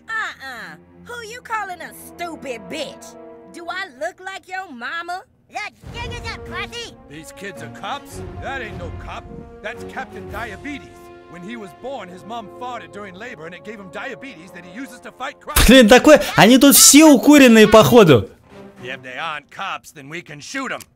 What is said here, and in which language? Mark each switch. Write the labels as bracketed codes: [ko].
[en] Uh-uh. Who you calling a stupid bitch? Do I look like your mama? The thing is up, Classy! These kids are cops? That ain't no cop. That's Captain Diabetes. When he was born, his mom farted during labor, and it gave him diabetes that he uses to fight crime. [ru] Блин, такое... Они тут все укуренные, походу. [en] If they aren't cops, then we can shoot them.